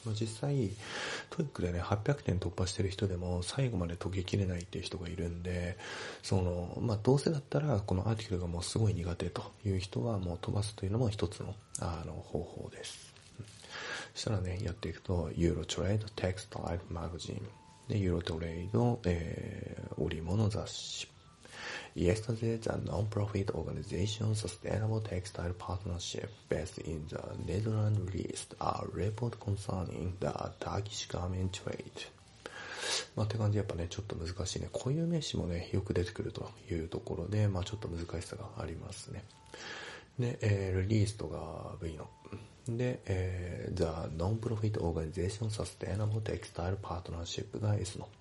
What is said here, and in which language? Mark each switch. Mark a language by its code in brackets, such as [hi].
[ja] まあ、実際、トイックでね、800点突破してる人でも、最後まで解ききれないっていう人がいるんで、まあ、どうせだったら、このアーティクルがもうすごい苦手という人は、もう飛ばすというのも一つの、方法です。そしたらね、やっていくと、ユーロトレード、テクスト、ライフマガジン。で、ユーロトレード、織物雑誌。 [en] Yesterday, the non-profit organization Sustainable Textile Partnership based in the Netherlands released a report concerning the Turkish garment trade. [ja] まあ、って感じでやっぱね、ちょっと難しいね。固有名詞もね、よく出てくるというところで、まあ、ちょっと難しさがありますね。で、released が V の。で、 [en] the non-profit organization Sustainable Textile Partnership [ja] が S の。